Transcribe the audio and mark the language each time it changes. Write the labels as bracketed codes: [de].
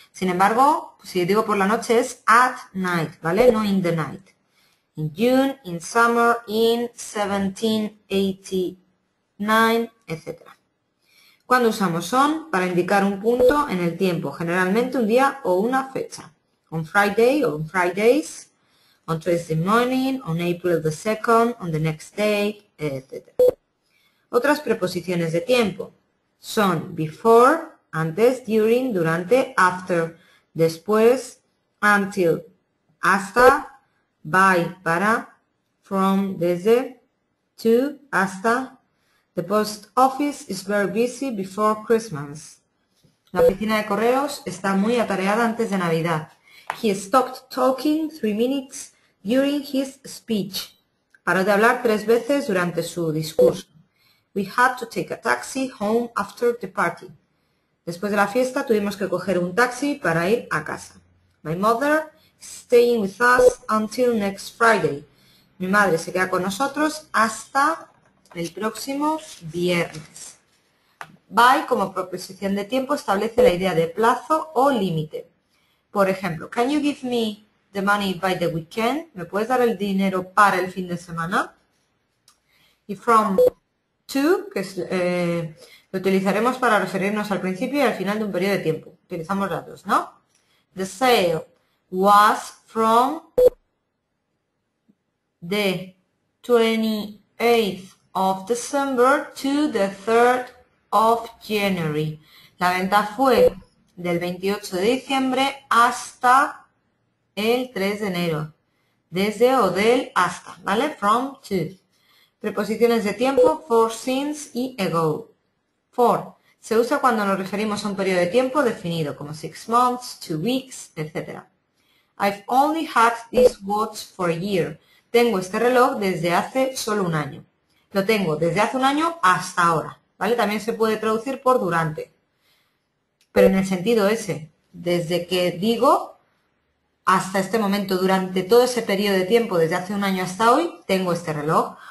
[es] Sin embargo, si digo por la noche es at night, ¿vale? No [en] in the night. In June, in summer, in 1789, etc. [es] ¿Cuándo usamos on? Para indicar un punto en el tiempo, generalmente un día o una fecha. [en] On Friday o on Fridays. On Tuesday morning, on April the 2nd, on the next day, etc. [es] Otras preposiciones de tiempo son before, antes, during, durante, after, después, until, hasta, by, para, from, desde, to, hasta. [en] The post office is very busy before Christmas. [es] La oficina de correos está muy atareada antes de Navidad. [en] He stopped talking 3 minutes. During his speech, [es] paró de hablar 3 veces durante su discurso. [en] We had to take a taxi home after the party. [es] Después de la fiesta tuvimos que coger un taxi para ir a casa. [en] My mother is staying with us until next Friday. [es] Mi madre se queda con nosotros hasta el próximo viernes. By como preposición de tiempo establece la idea de plazo o límite. Por ejemplo, [en] can you give me the money by the weekend? [es] ¿Me puedes dar el dinero para el fin de semana? Y from to, que es, lo utilizaremos para referirnos al principio y al final de un periodo de tiempo. Utilizamos las dos, ¿no? [en] The sale was from the 28th of December to the 3rd of January. [es] La venta fue del 28 de diciembre hasta el 3 de enero, desde o del hasta, ¿vale? From to. Preposiciones de tiempo, for, since y ago. For, se usa cuando nos referimos a un periodo de tiempo definido, como [en] 6 months, 2 weeks, [es] etc. [en] I've only had this watch for a year. [es] Tengo este reloj desde hace solo un año. Lo tengo desde hace un año hasta ahora, ¿vale? También se puede traducir por durante, pero en el sentido ese, desde que digo hasta este momento, durante todo ese periodo de tiempo, desde hace un año hasta hoy, tengo este reloj.